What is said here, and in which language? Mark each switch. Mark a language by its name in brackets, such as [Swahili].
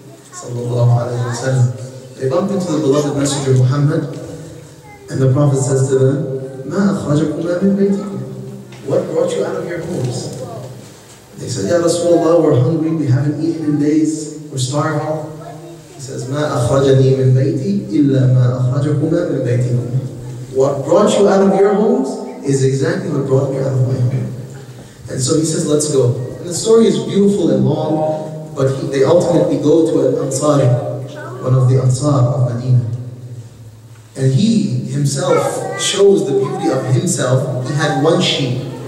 [English] Sallallahu alayhi wa sallam. They bump into the beloved Messenger Muhammad. And the Prophet says to them, [Arabic] مَا أَخْرَجَكُمَا مِنْ بَيْتِكُمْ. [English] What brought you out of your homes? They said, Ya Rasulullah, we're hungry, we haven't eaten in days, we're starving. He says, [Arabic] مَا أَخْرَجَنِي مِنْ بَيْتِي إِلَّا مَا أَخْرَجَكُمَا مِنْ بَيْتِكُمْ. [English] What brought you out of your homes is exactly what brought me out of my home. And so he says, let's go. And the story is beautiful and long, but they ultimately go to an Ansari, one of the Ansar of Medina. And he himself shows the beauty of himself. He had one sheep.